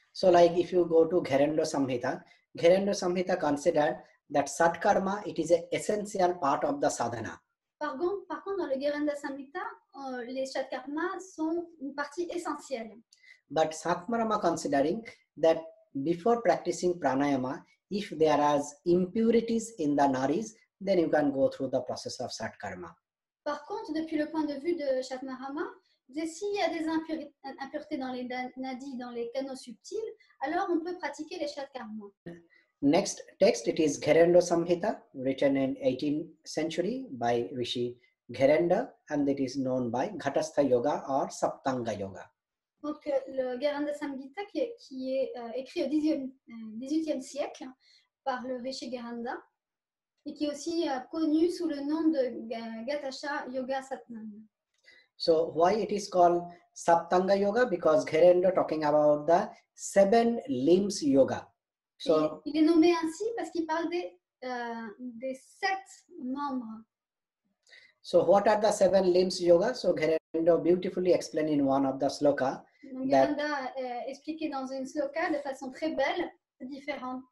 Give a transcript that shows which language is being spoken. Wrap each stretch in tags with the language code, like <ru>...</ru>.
<en>So like if you go to Gherendra Samhita considered that satkarma, it is an essential part of the sadhana.</en> <fr>Par contre, dans le Gherendra Samhita, les satkarmas sont une partie essentielle.</fr> <en>But Satmarama considering that before practicing pranayama, if there are impurities in the nadis, then you can go through the process of satkarma.</en> <fr>Par contre, depuis le point de vue de Satmarama, s'il y a des impuretés dans les nadis, dans les canaux subtils, alors on peut pratiquer les satkarmas.</fr> <en>Next text, it is Gherendra Samhita, written in 18th century by Rishi Gherendra, and it is known by Ghatastha Yoga or Saptanga Yoga.</en> <fr>Donc le Gherendra Samhita qui est écrit au 18e siècle par le Rishi Gherendra et qui est aussi connu sous le nom de Ghatastha Yoga Saptanga.</fr> <en>So why it is called Saptanga Yoga? Because Gherendra talking about the seven limbs yoga.</en> <fr>So il est nommé ainsi parce qu'il parle des sept membres.</fr> <en>So what are the seven limbs yoga? So Gherendra beautifully explained in one of the sloka.</en> <fr>Gherendra expliqué dans une sloka de façon très belle, différente.</fr>